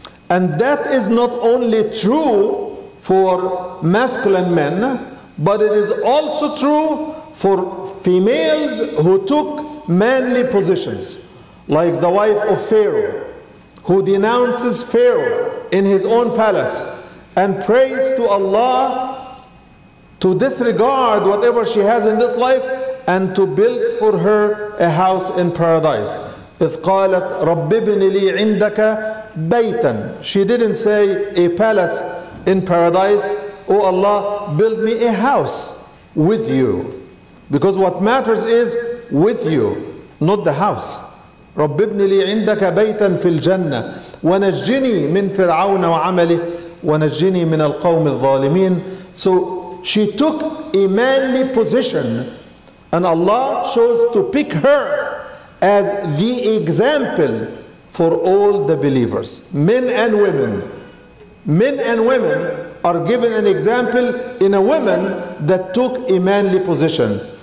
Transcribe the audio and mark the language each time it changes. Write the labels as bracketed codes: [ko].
[en] And that is not only true for masculine men, but it is also true for females who took manly positions, like the wife of Pharaoh, who denounces Pharaoh in his own palace and prays to Allah to disregard whatever she has in this life and to build for her a house in paradise. [ar] إذ قالت رب ابن لي عندك بيتا. [en] She didn't say a palace in paradise. Oh Allah, build me a house with you. Because what matters is with you, not the house. [ar] رب ابن لي عندك بيتا في الجنة ونجني من فرعون وعمله ونجني من القوم الظالمين. [en] So she took a manly position and Allah chose to pick her as the example for all the believers, men and women. Men and women are given an example in a woman that took a manly position.